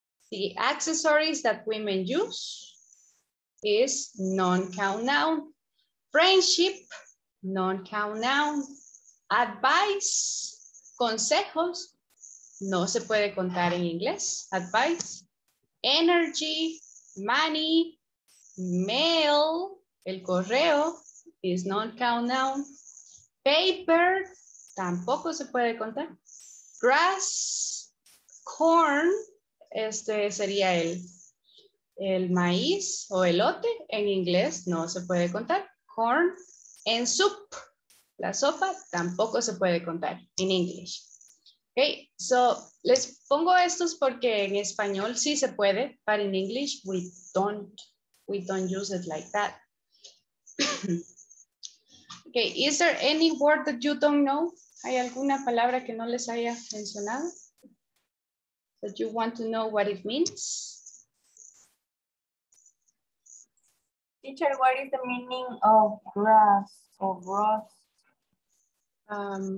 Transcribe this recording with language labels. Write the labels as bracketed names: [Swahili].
[English] The accessories that women use is non-count noun. Friendship, non-count noun. [Spanish] Advice, consejos, no se puede contar en inglés. [English] Advice. Energy, money, mail, [Spanish] el correo, [English] is non-count noun. [Spanish] Paper, tampoco se puede contar. Grass, corn, este sería el maíz o elote, en inglés no se puede contar. Corn, and soup, la sopa, tampoco se puede contar in English. [English] Okay, so [Spanish] les pongo estos porque en español sí se puede, [English] but in English we don't use it like that. Okay, is there any word that you don't know? [Spanish] ¿Hay alguna palabra que no les haya mencionado? [English] That you want to know what it means? Teacher, what is the meaning of grass or grass?